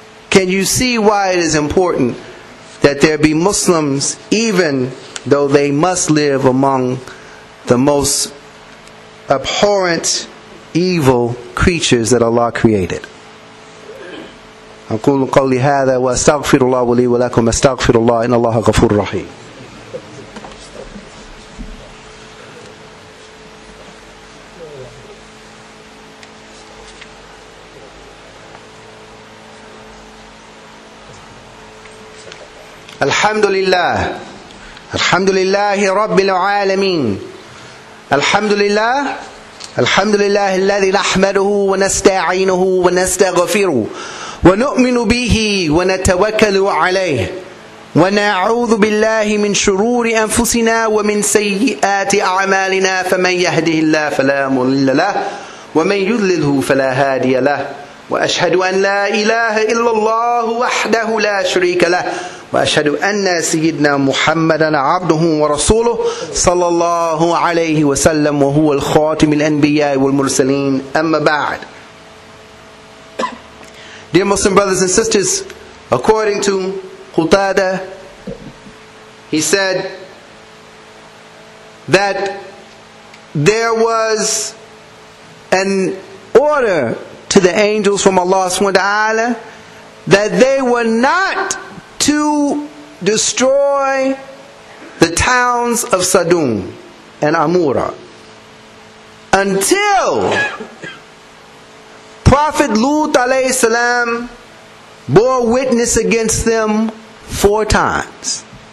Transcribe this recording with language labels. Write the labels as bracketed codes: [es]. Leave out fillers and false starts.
[en] Can you see why it is important that there be Muslims, even though they must live among the most abhorrent, evil creatures that Allah created? [ar] أقول قولي هذا وأستغفر الله لي ولكم أستغفر الله إن الله غفور رحيم. الحمد لله الحمد لله رب العالمين الحمد لله الحمد لله الذي نحمده ونستعينه ونستغفره ونؤمن به ونتوكل عليه ونعوذ بالله من شرور أنفسنا ومن سيئات أعمالنا فمن يهده الله فلا مضل له ومن يضلله فلا هادي له وأشهد أن لا إله إلا الله وحده لا شريك له وأشهد أن سيدنا محمدا عبده ورسوله صلى الله عليه وسلم وهو الخاتم الأنبياء والمرسلين أما بعد. [en] Dear Muslim brothers and sisters, according to Qutada, he said that there was an order to the angels from Allah subhanahu wa ta'ala that they were not to destroy the towns of Sadum and Amura until Prophet Lut alayhi salam bore witness against them four times.